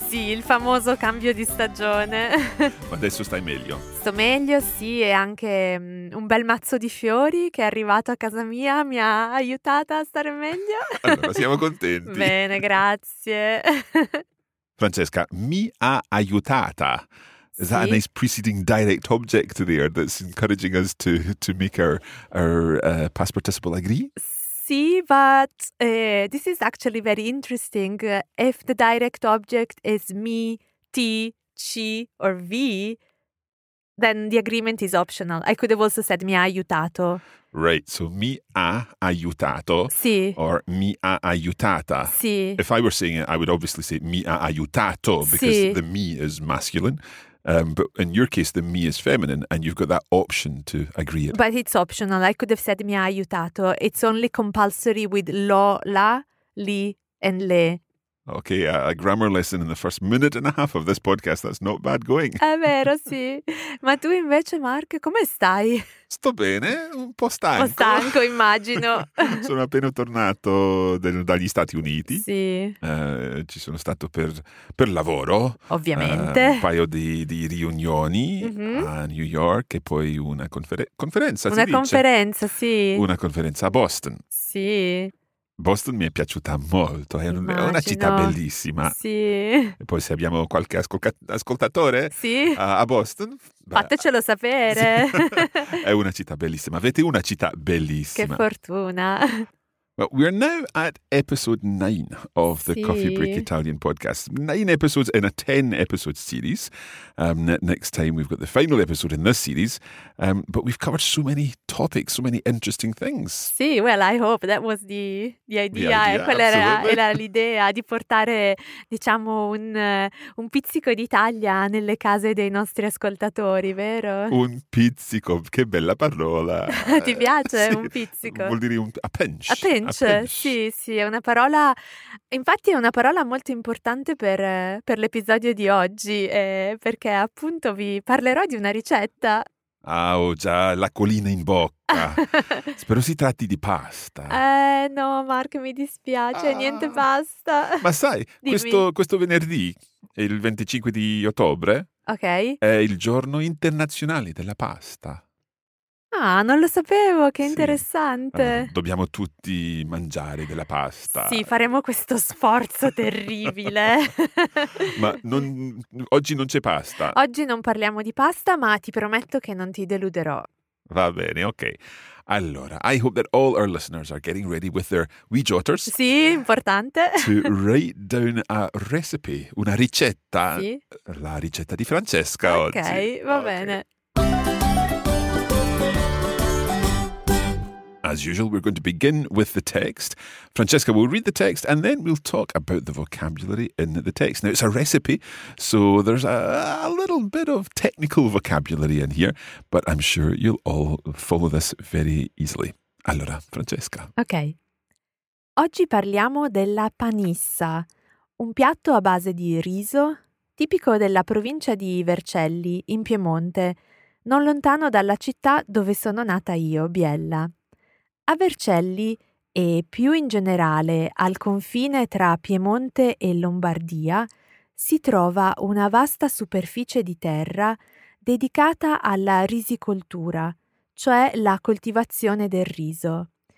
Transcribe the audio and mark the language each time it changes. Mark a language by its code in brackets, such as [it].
[it] Sì, il famoso cambio di stagione. Ma adesso stai meglio? Sto meglio, sì, e anche un bel mazzo di fiori che è arrivato a casa mia mi ha aiutata a stare meglio. Allora, siamo contenti. Bene, grazie. Francesca, mi ha aiutata. [en] Is that a nice preceding direct object there that's encouraging us to make our past participle agree? See, but this is actually very interesting. If the direct object is me, ti, ci, or vi, then the agreement is optional. I could have also said [it] mi ha aiutato. [en] Right, so [it] mi ha aiutato. Sì. Or mi ha aiutata. Sì. [en] If I were saying it, I would obviously say [it] mi ha aiutato, [en] because [it] sì. [en] The mi is masculine. But in your case, the me is feminine and you've got that option to agree it. But it's optional. I could have said [it] mi ha aiutato. [en] It's only compulsory with lo, la, li, and le. Okay, a grammar lesson in the first minute and a half of this podcast. That's not bad going. [it] È vero, sì. Ma tu invece, Mark, come stai? Sto bene, un po' stanco. Un po' stanco, immagino. Sono appena tornato dagli Stati Uniti. Sì. Ci sono stato per lavoro. Ovviamente. Un paio di riunioni a New York e poi una conferenza, una si conferenza, dice. Sì. Una conferenza a Boston. Sì. Boston mi è piaciuta molto, immagino. È una città bellissima. Sì. E poi se abbiamo qualche ascoltatore sì. a Boston... Beh, fatecelo sapere. Sì. È una città bellissima. Avete una città bellissima. Che fortuna. [en] Well, we are now at episode 9 of the [it] sì. [en] Coffee Break Italian podcast. 9 episodes in a 10-episode series. Next time we've got the final episode in this series. But we've covered so many topics, so many interesting things. Sì, well, I hope that was the idea. The idea, [it] quella era l'idea di portare, diciamo, un pizzico d'Italia nelle case dei nostri ascoltatori, vero? Un pizzico, che bella parola. Ti piace sì. Un pizzico? Vuol dire [en] a pinch. A pinch. pinch. [it] Sì, sì, è una parola, infatti è una parola molto importante per l'episodio di oggi, perché appunto vi parlerò di una ricetta. Ah, ho già l'acquolina in bocca. Spero si tratti di pasta. No, Mark, mi dispiace, niente pasta. Ma sai, questo venerdì, il 25 di ottobre, [en] okay, [it] è il giorno internazionale della pasta. Ah, non lo sapevo, che interessante. Sì. Dobbiamo tutti mangiare della pasta. Sì, faremo questo sforzo terribile. Ma non, oggi non c'è pasta. Oggi non parliamo di pasta, ma ti prometto che non ti deluderò. Va bene, ok. [en] Allora, I hope that all our listeners are getting ready with their wee jotters. [it] Sì, importante. [en] To write down a recipe, [it] una ricetta. Sì. La ricetta di Francesca, [en] okay, [it] Va ok, va bene. [en] As usual, we're going to begin with the text. Francesca will read the text and then we'll talk about the vocabulary in the text. Now, it's a recipe, so there's a little bit of technical vocabulary in here, but I'm sure you'll all follow this very easily. [it] Allora, Francesca. Ok. Oggi parliamo della panissa, un piatto a base di riso, tipico della provincia di Vercelli, in Piemonte, non lontano dalla città dove sono nata io, Biella. A Vercelli, e più in generale al confine tra Piemonte e Lombardia, si trova una vasta superficie di terra dedicata alla risicoltura, cioè la coltivazione del riso.